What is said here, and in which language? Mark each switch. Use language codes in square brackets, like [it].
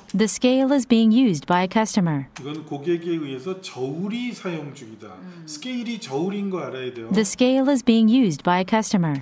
[en] The scale is being used by a customer. [ko] 이건 고객에 의해서 저울이 사용 중이다. 스케일이 저울인 거 알아야 돼요. [en] The scale is being used by a customer.